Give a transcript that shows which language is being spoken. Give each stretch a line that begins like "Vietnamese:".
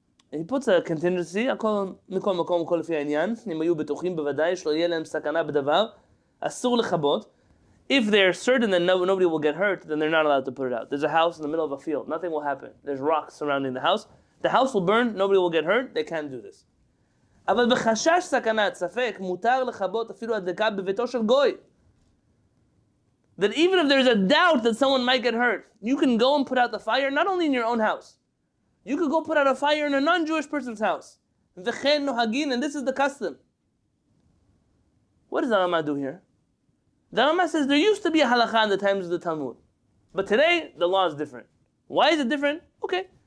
English: He puts a contingency. If they're certain that nobody will get hurt, then they're not allowed to put it out. There's a house in the middle of a field. Nothing will happen. There's rocks surrounding the house. The house will burn. Nobody will get hurt. They can't do this.
Hebrew: אבל בחשש סכנת ספק מותר לחבות אפילו הדלקה בביתו של גוי.
English: that even if there's a doubt that someone might get hurt, you can go and put out the fire, not only in your own house. You could go put out a fire in a non-Jewish person's house.
Hebrew: V'chen nohagin,
English: and this is the custom. What does the Rama do here? The Rama says there used to be a halakha in the times of the Talmud. But today, the law is different. Why is it different? Okay.